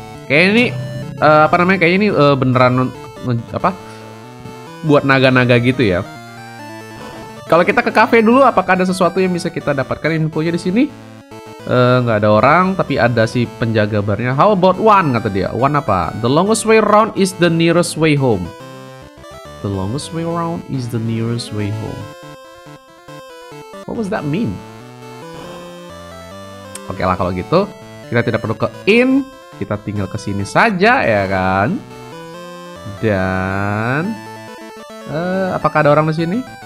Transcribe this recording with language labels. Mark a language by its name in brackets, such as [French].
[Indonesian] Kayaknya ini, apa namanya? Kayaknya ini beneran, apa? Buat naga-naga gitu ya. Kalau kita ke kafe dulu, apakah ada sesuatu yang bisa kita dapatkan infonya di sini? Nggak ada orang, tapi ada si penjaga barnya. [English] How about one, [Indonesian] kata dia. [English] One [Indonesian] apa? [English] The longest way round is the nearest way home. The longest way round is the nearest way home. What does that mean? [Indonesian] Oke lah, kalau gitu kita tidak perlu ke inn, kita tinggal ke sini saja, ya kan? Dan apakah ada orang di sini?